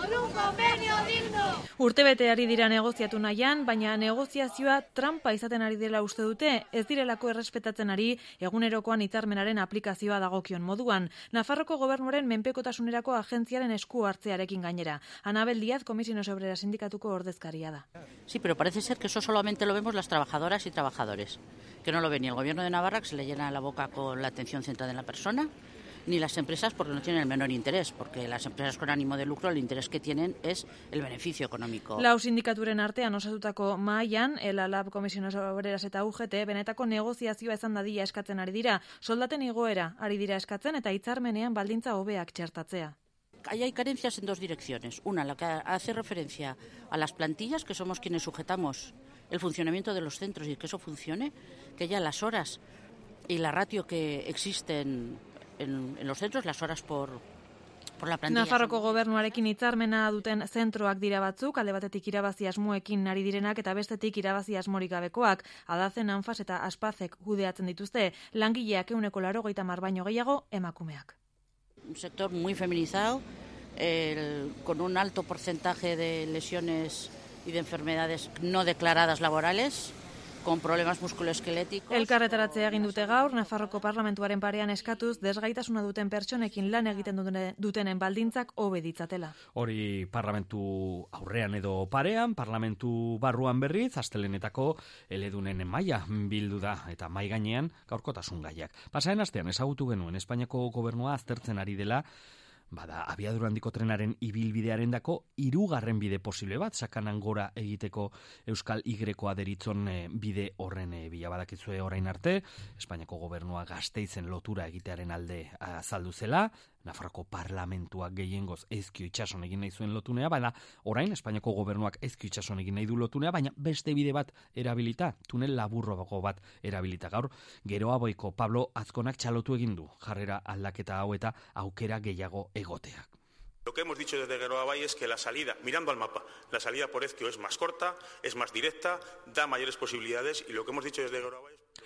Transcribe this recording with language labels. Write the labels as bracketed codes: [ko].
[es] por un convenio digno. [eu] Urtebete ari dira negoziatu nahian, baina negoziazioa trampa izaten ari dela uste dute, ez direlako errespetatzen ari egunerokoan hitzarmenaren aplikazioa dagokion moduan. Nafarroko gobernuaren menpekotasunerako agentziaren esku hartzearekin gainera. Anabel Díaz, Comisiones Obreras sindikatuko ordezkaria da. [es] Sí, pero parece ser que eso solamente lo vemos las trabajadoras y trabajadores. Que no lo ve ni el gobierno de Navarra, que se le llena la boca con la atención centrada en la persona, ni las empresas, porque no tienen el menor interés, porque las empresas con ánimo de lucro, el interés que tienen es el beneficio económico. [eu] Lau sindikaturen artean osatutako mahaian, ELALAB, Comisiones Obreras eta UGT, benetako negoziazioa izan dadila eskatzen ari dira, soldaten igoera ari dira eskatzen eta hitzarmenean baldintza hobeak txertatzea. [es] Ahí hay carencias en dos direcciones. Una, la que hace referencia a las plantillas, que somos quienes sujetamos el funcionamiento de los centros y que eso funcione, que ya las horas y la ratio que existen en los centros, las horas por la plantilla. [eu] Nafarroko gobernuarekin hitzarmena duten zentroak dira batzuk, alde batetik irabazi asmoekin ari direnak eta bestetik irabazi asmorik gabekoak, Adazen, Anfas eta Aspazek kudeatzen dituzte, langileak 180 baino gehiago emakumeak. [es] Un sector muy feminizado, con un alto porcentaje de lesiones y de enfermedades no declaradas laborales, con problemas musculoesqueléticos. [eu] Elkarretaratzea egin dute gaur, Nafarroko parlamentuaren parean eskatuz, desgaitasuna duten pertsonekin lan egiten dutenen baldintzak hobe ditzatela. Hori parlamentu aurrean edo parean, parlamentu barruan berriz, astelenetako eledunen maila bildu da, eta mai gainean gaurkotasun gaiak. Pasaren astean, ezagutu genuen, Espainiako gobernua aztertzen ari dela, bada, abiadura handiko trenaren ibilbidearen dako, hirugarren bide posible bat, sakanan gora egiteko Euskal Y-koa deritzon bide horren bilabadakizue orain arte, Espainiako gobernua Gasteizen lotura egitearen alde azaldu zela, Nafarroko parlamentuak gehiengoz Ezkio Itxason egin nahi zuen lotunea, baina orain Espainiako gobernuak Ezkio Itxason egin nahi du lotunea, baina beste bide bat erabilita, tunel laburroago bat erabilita. Gaur, Geroaboiko Pablo Azkonak txalotu egin du jarrera aldaketa hau eta aukera gehiago egoteak. [es] Lo que hemos dicho desde Geroabai es que la salida, mirando al mapa, la salida por Ezkio es más corta, es más directa, da mayores posibilidades y lo que hemos dicho desde Geroabai es...